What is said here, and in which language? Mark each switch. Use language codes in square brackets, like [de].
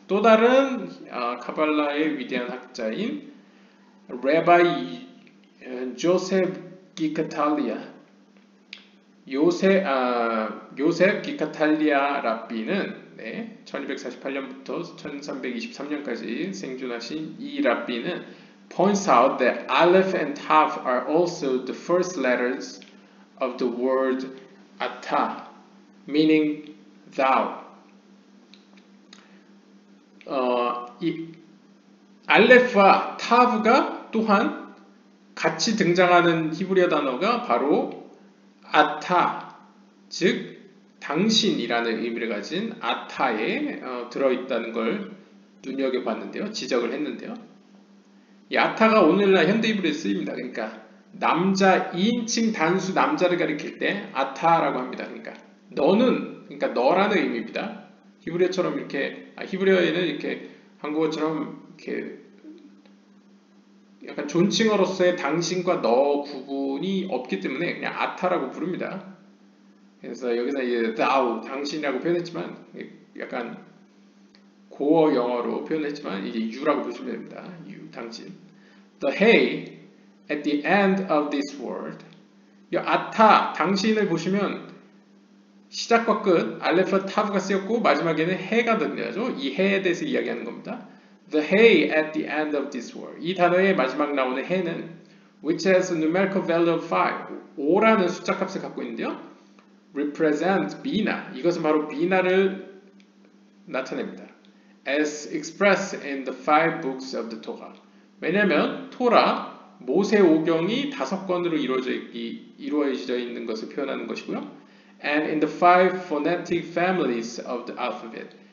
[ko] 또 다른 카발라의 위대한 학자인 레바이 조셉 기카탈리아 요셉 기카탈리아 랍비는 네, 1248년부터 1323년까지 생존하신 이 랍비는 [en] points out that aleph and tav are also the first letters of the word ata meaning thou [ko] 이 알레프와 타브가 또한 같이 등장하는 히브리어 단어가 바로 아타, 즉 당신이라는 의미를 가진 아타에 들어있다는 걸 눈여겨봤는데요. 지적을 했는데요. 이 아타가 오늘날 현대 히브리어에 쓰입니다. 그러니까 남자, 2인칭 단수 남자를 가리킬 때 아타라고 합니다. 그러니까 너는, 그러니까 너라는 의미입니다. 히브리어처럼 이렇게, 히브리어에는 이렇게 한국어처럼 이렇게 약간 존칭어로서의 당신과 너 구분이 없기 때문에 그냥 아타라고 부릅니다. 그래서 여기서 이제 thou, 당신이라고 표현했지만 약간 고어 영어로 표현했지만 이제 you라고 보시면 됩니다. you, 당신. [en] The hay at the end of this word. [ko] 이 아타, 당신을 보시면 시작과 끝, 알레프와 타브가 쓰였고 마지막에는 해가 등장하죠. 이 해에 대해서 이야기하는 겁니다. [en] The hay at the end of this word. [ko] 이 단어의 마지막 나오는 해는 [en] which has a numerical value of 5, [ko] 5라는 숫자 값을 갖고 있는데요. [en] Represents 비나. [ko] 이것은 바로 비나를 나타냅니다. [en] As expressed in the 5 books of the Torah. [ko] 왜냐하면 토라, 모세오경이 5권으로 이루어져 있는 것을 표현하는 것이고요. [en] And in the 5 phonetic families of the alphabet.